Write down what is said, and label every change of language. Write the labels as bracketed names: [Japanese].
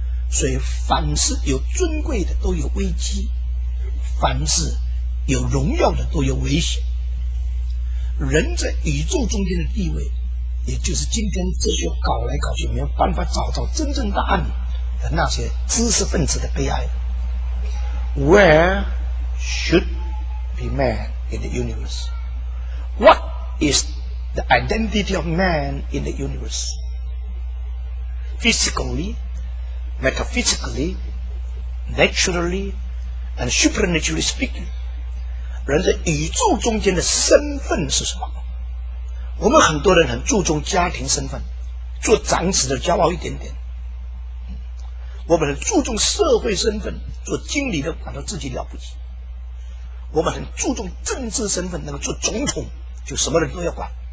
[Chinese] 所以凡是有尊贵的都有危机，凡是有荣耀的都有危险。人在宇宙中间的地位，也就是今天这些搞来搞去没有办法找到真正答案的那些知识分子的悲哀。 [English] Where should be man in the universe? What is the identity of man in the universe? Physicallymetaphysically, naturally, and supernaturally speaking, [Chinese] 人在宇宙中间的身份是什么。我们很多人很注重家庭身份，做长子的骄傲一点点，我们很注重社会身份，做经理的感到自己了不起，我们很注重政治身份，能够做总统就什么人都要管。